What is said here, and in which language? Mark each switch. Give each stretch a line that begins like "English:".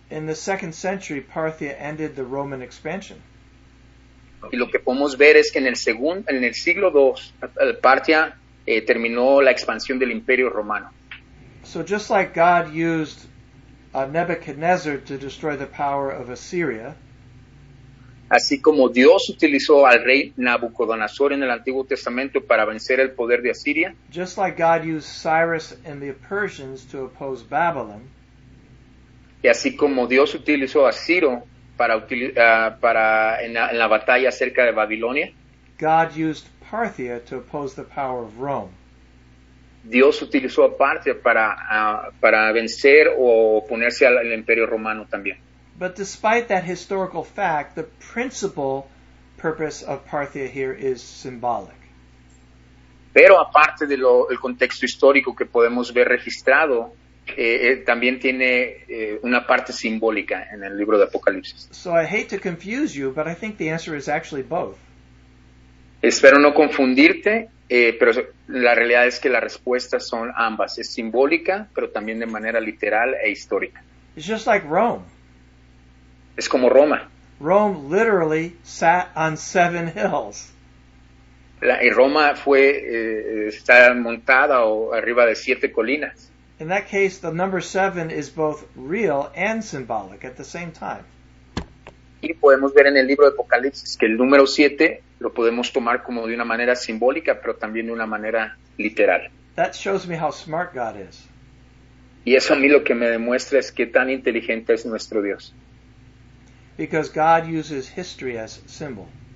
English: In the second century, Parthia ended the Roman expansion.
Spanish: Y lo que podemos ver es que en el siglo II, Partia terminó la expansión del Imperio Romano.
English: So just like God used Nebuchadnezzar to destroy the power of Assyria.
Spanish: Así como Dios utilizó al rey Nabucodonosor en el Antiguo Testamento para vencer el poder de Asiria.
English: Just like God used Cyrus and the Persians to oppose Babylon.
Spanish: Y así como Dios utilizó a Ciro para en la batalla cerca de Babilonia.
English: God used Parthia to oppose the power of Rome.
Spanish: Dios utilizó a Parthia para vencer o oponerse al Imperio Romano también.
English: But despite that historical fact, the principal purpose of Parthia here is symbolic.
Spanish: Pero aparte de el contexto histórico que podemos ver registrado, también tiene una parte simbólica en el libro de Apocalipsis.
English: So I hate to confuse you, but I think the answer is actually both.
Spanish: Espero no confundirte, pero la realidad es que las respuestas son ambas. Es simbólica, pero también de manera literal e histórica.
English: It's just like Rome.
Spanish: Es como Roma.
English: Rome literally sat on seven hills.
Spanish: Roma está montada o arriba de siete colinas.
English: In that case, the number 7 is both real and symbolic at the same time.
Spanish: Y podemos ver en el libro de Apocalipsis que el número 7 lo podemos tomar como de una manera simbólica, pero también de una manera literal.
English: That shows me how smart God is.
Spanish: Y eso a mí lo que me demuestra es qué tan inteligente es nuestro Dios.
English: Because God uses history as symbol.